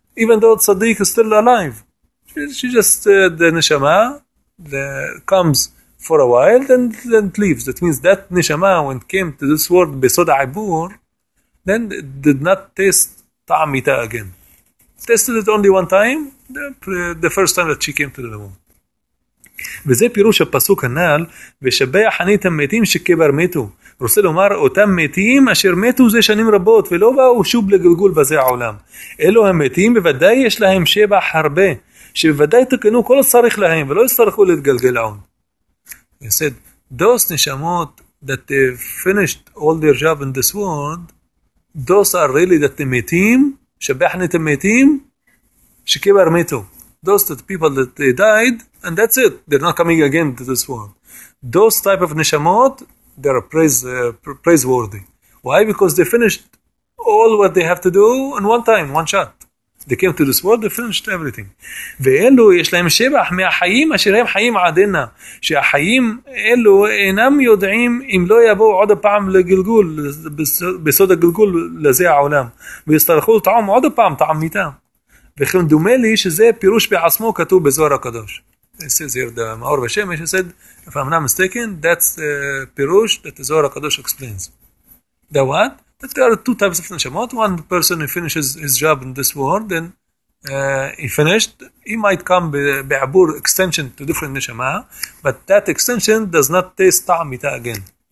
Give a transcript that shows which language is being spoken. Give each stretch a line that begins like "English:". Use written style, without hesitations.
English: Even though tzaddik is still alive. She just, the neshama comes for a while and then leaves. That means that neshama, when it came to this world, besod ha'ibur, then did not taste ta'am mita again. Tasted it only one time, the first time that she came to the world.
Hebrew: וזה פירוש הפסוק הנ"ל, ושבח אני את המתים שקבר מתו. רוצה לומר, אותם מתים אשר מתו זה שנים רבות, ולא באו שוב לגלגול בזה העולם. אלו המתים, בוודאי יש להם שבח הרבה. שבוודאי תקנו כל הצריך להם, ולא יצטרכו להתגלגל עוד.
English: He said, those נשמות that they finished all their job in this world, those are really that they מתים,
Hebrew: שבחנו את המתים, שכבר מתו.
English: Those that people that they died, and that's it, they're not coming again to this world. Those type of נשמות, they're praiseworthy. Why? Because they finished all what they have to do in one time, one shot. They came to this world, they finished everything.
Hebrew: ואלו יש להם שבח מהחיים אשר הם חיים עדנה, שהחיים אלו אינם יודעים אם לא יבואו עוד פעם לגלגול, בסוד הגלגול לזה העולם, ויצטרכו לטעום עוד פעם טעם מיתה. וכן דומה לי שזה פירוש בעצמו כתוב בזוהר הקדוש.
English: It says here the Maor Veshemesh. He said, if I'm not mistaken, that's the Pirush that the Zohar HaKadosh explains. The what? That there are two types of neshamot. One person who finishes his job in this world, then he finished. He might come be'abur extension to different neshama, but that extension does not taste ta'amita again.